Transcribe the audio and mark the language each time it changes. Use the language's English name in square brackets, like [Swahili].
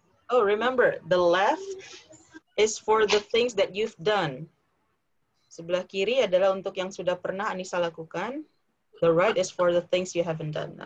[English] Oh, remember, the left is for the things that you've done. [Malay] Sebelah kiri adalah untuk yang sudah pernah Anissa lakukan. [English] The right is for the things you haven't done.